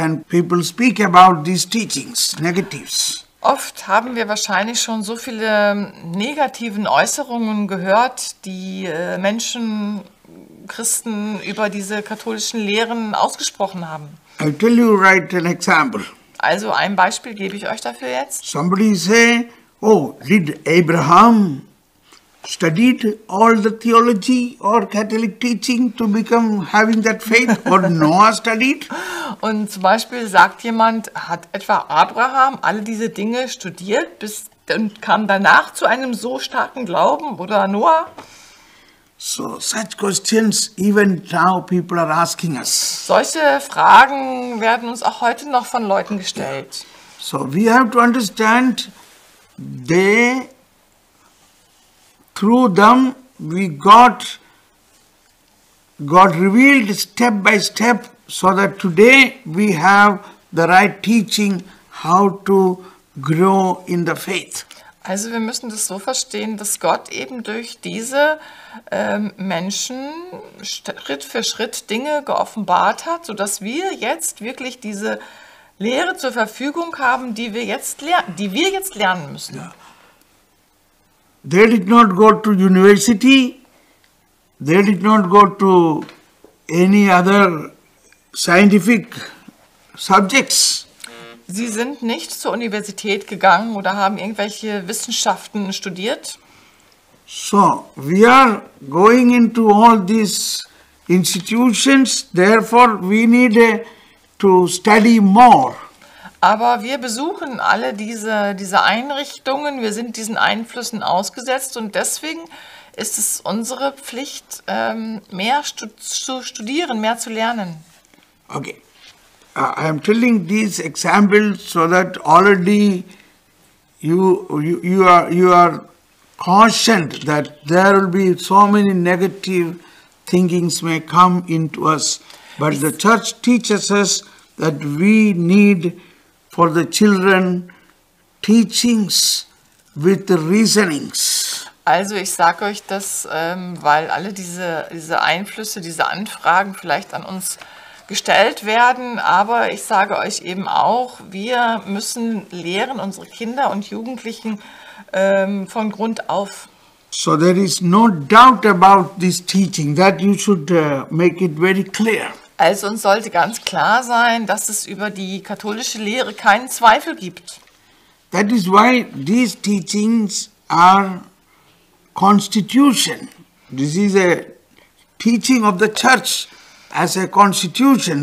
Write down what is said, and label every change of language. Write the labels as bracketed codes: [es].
[en] People speak about these teachings, negatives. [de] Oft haben wir wahrscheinlich schon so viele negativen Äußerungen gehört, die Menschen, Christen über diese katholischen Lehren ausgesprochen haben. [en] I'll tell you right an example. [de] Also ein Beispiel gebe ich euch dafür jetzt. [en] Somebody say, oh, did Abraham studied all the theology or Catholic teaching to become having that faith, or Noah studied? [de] Und zum Beispiel sagt jemand, hat etwa Abraham alle diese Dinge studiert bis und kam danach zu einem so starken Glauben, oder Noah? [en] So such questions even now people are asking us. [de] Solche Fragen werden uns auch heute noch von Leuten gestellt. [en] So we have to understand they. Through them we got God revealed step by step, so that today we have the right teaching how to grow in the faith. [de] Also wir müssen das so verstehen, dass Gott eben durch diese Menschen Schritt für Schritt Dinge geoffenbart hat, so dass wir jetzt wirklich diese Lehre zur Verfügung haben, die wir jetzt lernen müssen. Ja. [en] They did not go to university, they did not go to any other scientific subjects. [de] Sie sind nicht zur Universität gegangen oder haben irgendwelche Wissenschaften studiert. [en] So, we are going into all these institutions, therefore we need to study more. [de] Aber wir besuchen alle diese Einrichtungen, wir sind diesen Einflüssen ausgesetzt und deswegen ist es unsere Pflicht, mehr zu studieren, mehr zu lernen. [en] Okay. I am telling these examples so that already you are cautioned that there will be so many negative thinkings may come into us. But the church teaches us that we need for the children teachings with the reasonings. [de] Also ich sage euch das, weil alle diese Einflüsse, diese Anfragen vielleicht an uns gestellt werden, aber ich sage euch eben auch, wir müssen lehren unsere Kinder und Jugendlichen von Grund auf. [en] So there is no doubt about this teaching, that you should make it very clear. [de] Also uns sollte ganz klar sein, dass es über die katholische Lehre keinen Zweifel gibt. [en] That is why these teachings are constitution. This is a teaching of the church as a constitution.